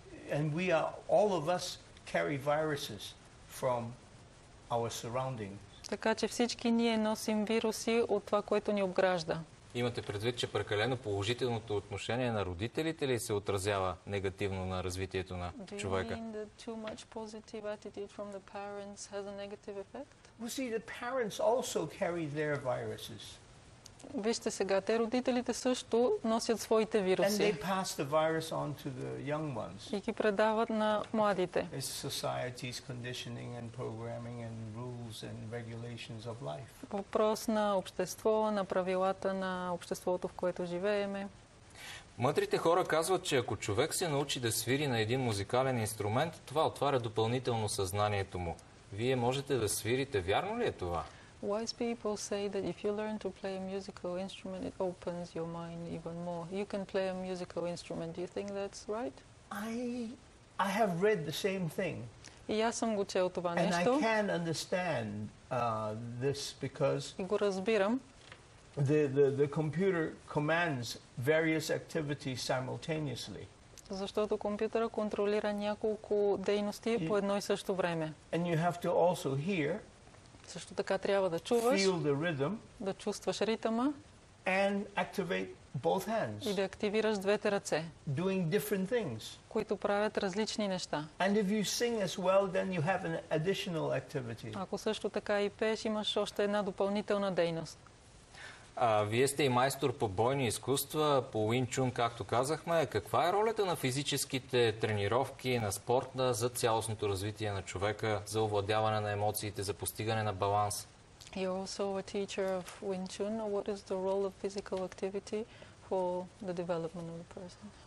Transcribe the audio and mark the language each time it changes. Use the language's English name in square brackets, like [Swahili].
[English] And we are, all of us carry viruses from our surroundings. [Bulgarian] Така че всички ние носим вируси от това, което ни обгражда. Имате предвид, че прекалено положителното отношение на родителите ли се отразява негативно на развитието на човека? [English] Do you mean that too much positive attitude from the parents has a negative effect? Well, see, the parents also carry their viruses. [Bulgarian] Вижте сега, те родителите също носят своите вируси. [English] And they pass the virus on to the young ones. [Bulgarian] И ги предават на младите. [English] It's society's conditioning and programming and rules and regulations of life. [Bulgarian] Въпрос на общество, на правилата на обществото, в което живееме. Мъдрите хора казват, че ако човек се научи да свири на един музикален инструмент, това отваря допълнително съзнанието му. Вие можете да свирите. Вярно ли е това? [English] Wise people say that if you learn to play a musical instrument, it opens your mind even more. You can play a musical instrument. Do you think that's right? I have read the same thing. [Bulgarian] И аз съм го чел това нещо. [English] And I can understand this because... [Bulgarian] И го разбирам. [English] The computer commands various activities simultaneously. [Bulgarian] Защото компютъра контролира няколко дейности по едно и също време. [English] And you have to also hear. [Bulgarian] Също така трябва да чуваш. [English] Feel the rhythm. [Bulgarian] Да чувстваш ритъма. [English] And activate both hands. [Bulgarian] И да активираш двете ръце. [English] Doing different things. [Bulgarian] Които правят различни неща. [English] And if you sing as well, then you have an additional activity. [Bulgarian] Ако също така и пееш, имаш още една допълнителна дейност. Вие сте и майстор по бойни изкуства, по Wing Chun, както казахме. Каква е ролята на физическите тренировки, на спорта за цялостното развитие на човека, за овладяване на емоциите, за постигане на баланс? [English] You're also a teacher of Wing Chun. What is the role of physical activity for the development of the person?